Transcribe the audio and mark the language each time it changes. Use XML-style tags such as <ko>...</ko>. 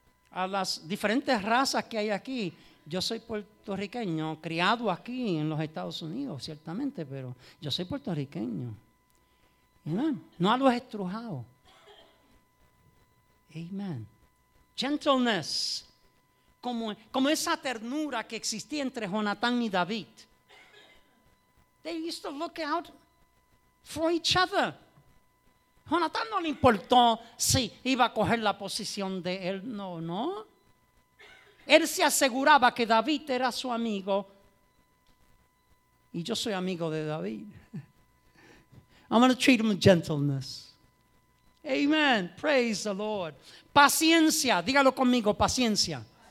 <es>A las diferentes razas que hay aquí, yo soy puertorriqueño, criado aquí en los Estados Unidos, ciertamente, pero yo soy puertorriqueño. Amen. No a los estrujados.</es> <en>Amen. Gentleness.</en> <es>Como esa ternura que existía entre Jonatán y David.</es> <en>They used to look out for each other.</en> <es>Jonatán no le importó si iba a coger la posición de él. No, no. Él se aseguraba que David era su amigo.</es> <en>Y yo soy amigo de David. I'm going to treat him with gentleness. Amen. Praise the Lord. Paciencia. Dígalo conmigo. Paciencia.</en>